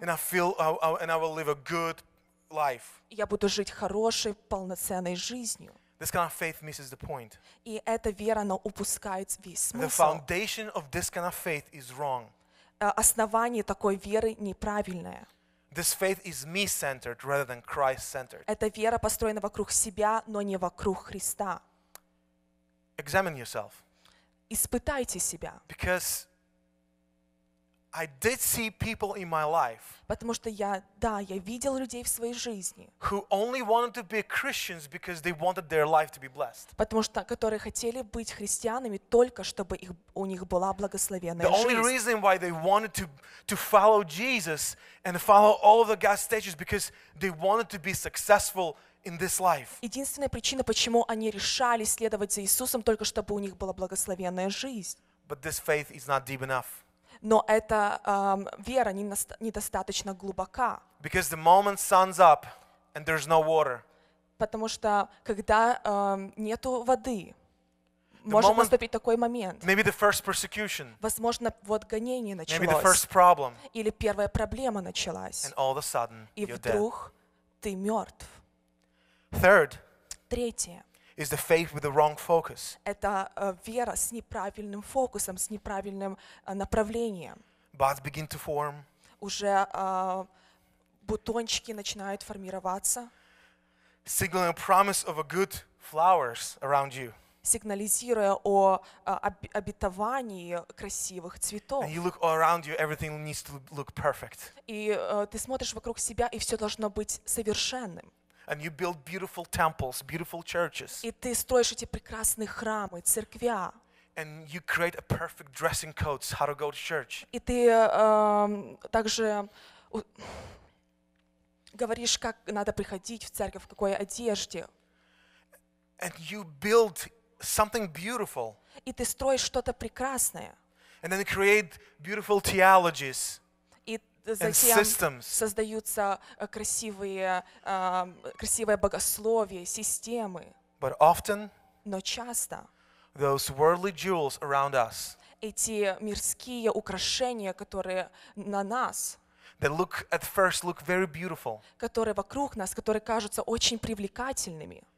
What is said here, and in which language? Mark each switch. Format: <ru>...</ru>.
<en>and I will live a good life.</en> <ru>Я буду жить хорошей, полноценной жизнью.</ru> <en>This kind of faith misses the point.</en> <ru>И эта вера, она упускает весь смысл.</ru> <en>The foundation of this kind of faith is wrong.</en> <ru>Основание такой веры неправильное.</ru> <en>This faith is me-centered rather than Christ-centered.</en> <ru>Эта вера построена вокруг себя, но не вокруг Христа.</ru> <en>Examine yourself.</en> <ru>Испытайте себя.</ru> <en>Because I did see people in my life.</en> <ru>Потому что я видел людей в своей жизни.</ru> <en>Who only wanted to be Christians because they wanted their life to be blessed.</en> <ru>Потому что которые хотели быть христианами только чтобы у них была благословенная жизнь.</ru> <en>The only reason why they wanted to follow Jesus and follow all of the God's statutes because they wanted to be successful in this life.</en> <ru>Единственная причина, почему они решали следовать за Иисусом только чтобы у них была благословенная жизнь.</ru> <en>But this faith is not deep enough.</en> <ru>Но эта вера недостаточно глубока.</ru> <en>Because the moment sun's up and there's no water.</en> <ru>Потому что когда нету воды, может наступить такой момент.</ru> <en>Maybe the first persecution.</en> <ru>Возможно, вот гонение началось.</ru> <en>Maybe the first problem.</en> <ru>Или первая проблема началась.</ru> <en>And all of a sudden,</en> <ru>и вдруг ты мертв.</ru> <en>Third.</en> <ru>Третье.</ru> <en>Is the faith with the wrong focus.</en> <ru>Это вера с неправильным фокусом, с неправильным направлением.</ru> <en>Buds begin to form.</en> <ru>Уже бутончики начинают формироваться.</ru> <en>Signaling a promise of a good flowers around you.</en> <ru>Сигнализируя о обетовании красивых цветов.</ru> <en>And you look all around you, everything needs to look perfect.</en> <ru>И ты смотришь вокруг себя, и все должно быть совершенным.</ru> <en>And you build beautiful temples, beautiful churches.</en> <ru>И ты строишь эти прекрасные храмы, церквя.</ru> <en>And you create a perfect dressing code, how to go to church.</en> <ru>И ты также говоришь, как надо приходить в церковь, в какой одежде.</ru> <en>And you build something beautiful.</en> <ru>И ты строишь что-то прекрасное.</ru> <en>And then create beautiful theologies.</en> <ru>И затем создаются красивые, красивое богословие, системы.</ru> <en>But often,</en> <ru>но часто,</ru> <en>those worldly jewels around us,</en> <ru>эти мирские украшения, которые на нас,</ru> <en>that look at first look very beautiful,</en> <ru>которые вокруг нас, которые кажутся очень привлекательными,</ru>